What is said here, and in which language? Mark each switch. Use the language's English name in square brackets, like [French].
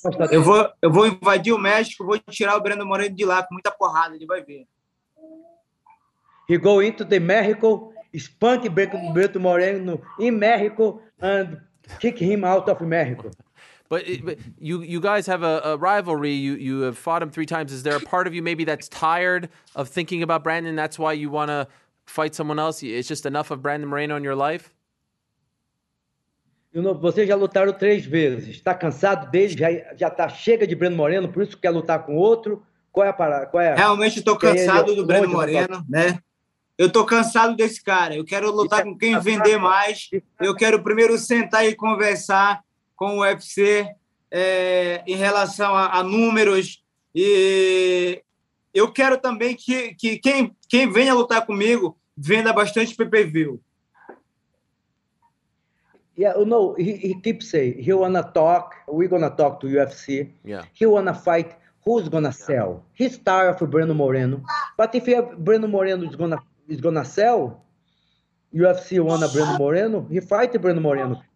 [Portuguese] Eu vou invadir o México, vou tirar o Brandon Moreno de lá com muita porrada, ele vai ver. [English] He go into the Mexico, spank Brandon Moreno in Mexico and kick him out of Mexico. But you guys have a rivalry. You have fought him three times. Is there a part of you maybe that's tired of thinking about Brandon? That's why you want to fight someone else? It's just enough of Brandon Moreno in your life? You know, [Portuguese] vocês já lutaram três vezes. Está cansado dele? Já tá chega de Brandon Moreno? Por isso quer lutar com outro? Qual é a parada? Qual é? Realmente estou cansado do Brandon Moreno, né? Eu tô cansado desse cara. Eu quero lutar com quem vender mais. Eu quero primeiro sentar e conversar com o UFC em relação a números. E eu quero também que quem venha lutar comigo venda bastante PPV. [English] Yeah, you know, he keeps saying, he wanna talk, we're gonna talk to UFC. Yeah. He wanna fight, who's gonna sell? He's tired of Breno Moreno. But if Breno Moreno is gonna sell, UFC wanna Breno Moreno, he fight Breno Moreno.